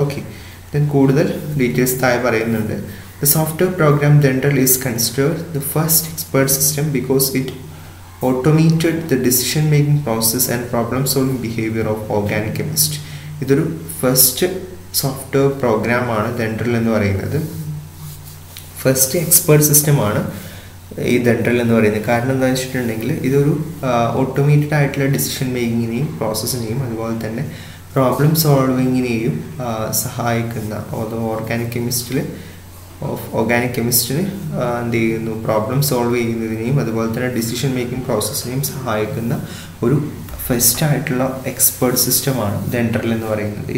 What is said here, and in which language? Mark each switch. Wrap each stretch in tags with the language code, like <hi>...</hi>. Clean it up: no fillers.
<ml>Okay, then കൂടുതൽ details തായി പറയുന്നുണ്ട്.</ml> <en>The software program Dendral is considered the first expert system because it automated the decision making process and problem solving behavior of organic chemist.</en> <ml>ഇതൊരു first software programme ആണ് ഡെൻഡ്രൽ എന്ന് പറയുന്നത്. First expert system ആണ് ഈ ഡെൻഡ്രൽ എന്ന് പറയുന്നത്. കാരണം എന്താണെന്ന് വെച്ചിട്ടുണ്ടെങ്കിൽ ഇതൊരു ഓട്ടോമേറ്റഡ് ആയിട്ടുള്ള ഡിസിഷൻ മേക്കിങ്ങിനെയും പ്രോസസ്സിനെയും അതുപോലെ തന്നെ പ്രോബ്ലം സോൾവിങ്ങിനെയും സഹായിക്കുന്ന, അതോ ഓർഗാനിക് കെമിസ്ട്രിൽ ഓഫ് ഓർഗാനിക് കെമിസ്ട്രിന് എന്ത് ചെയ്യുന്നു, പ്രോബ്ലം സോൾവ് ചെയ്യുന്നതിനെയും അതുപോലെ തന്നെ ഡിസിഷൻ മേക്കിംഗ് പ്രോസസ്സിനെയും സഹായിക്കുന്ന ഒരു ഫസ്റ്റ് ആയിട്ടുള്ള എക്സ്പേർട്ട് സിസ്റ്റമാണ് ഡെൻഡ്രൽ എന്ന് പറയുന്നത്.</ml>